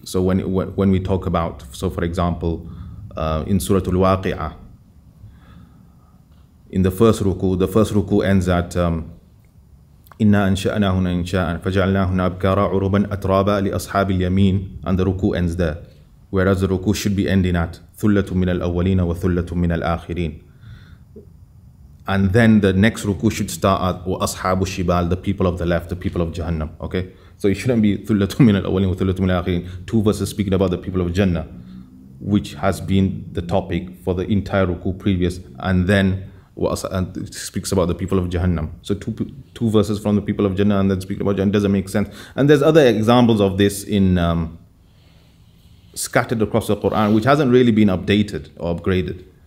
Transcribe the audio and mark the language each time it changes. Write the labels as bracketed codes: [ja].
[en] So when we talk about, so for example, in Surah Al-Waqi'ah, in the first ruku ends at [ar] إِنَّا أَنْشَأْنَاهُنَّ إِنْشَاءً فَجَعَلْنَاهُنَّ أَبْكَارًا عُرُوبًا أَتْرَابًا لِأَصْحَابِ الْيَمِينَ. [en] And the ruku ends there. Whereas the ruku should be ending at [ar] ثُلَّةٌ مِنَ الْأَوَّلِينَ وَثُلَّةٌ مِنَ الْآخِرِينَ. [en] And then the next ruku should start at [ar] وَأَصْحَابُ الشِّبَالِ, [en] the people of the left, the people of Jahannam. Okay? So it shouldn't be [ar] ثُلَّةٌ مِنَ الْأَوَّلِينَ وَثُلَّةٌ مِنَ الْآخِرِينَ. [en] Two verses speaking about the people of Jannah, which has been the topic for the entire ruku previous, and then and it speaks about the people of Jahannam. So two verses from the people of Jannah and then speak about Jahannam doesn't make sense. And there's other examples of this in scattered across the Quran, which hasn't really been updated or upgraded.